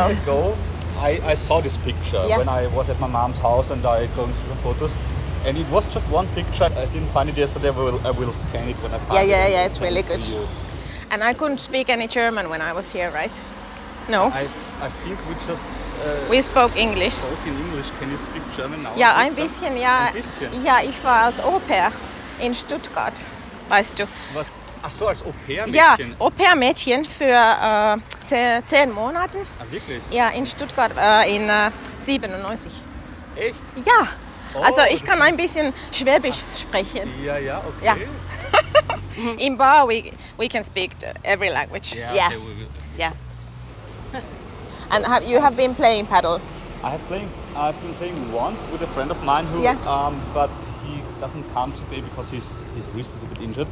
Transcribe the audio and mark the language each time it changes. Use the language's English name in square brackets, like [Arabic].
[English] Some years ago, I saw this picture when I was at my mom's house and I going through the photos, and it was just one picture. I didn't find it yesterday. I will scan it when I find it. Yeah. It's really good. You. And I couldn't speak any German when I was here, right? No. I think we just. We spoke English. Can you speak German now? [German] Ja, ein bisschen, ja. Ja, ich war als Au-pair in Stuttgart, weißt du. Was? Ach so, als Au-pair-Mädchen? Ja, Au-pair-Mädchen für 10 Monate. Ah, wirklich? Ja, in Stuttgart in 97. Echt? Ja. Oh, also, ich kann ein bisschen Schwäbisch sprechen. Ja, okay. Ja. [English] In Bar, we can speak every language. Yeah. Yeah. And have you been playing paddle? I've been playing once with a friend of mine who but he doesn't come today because his wrist is a bit injured.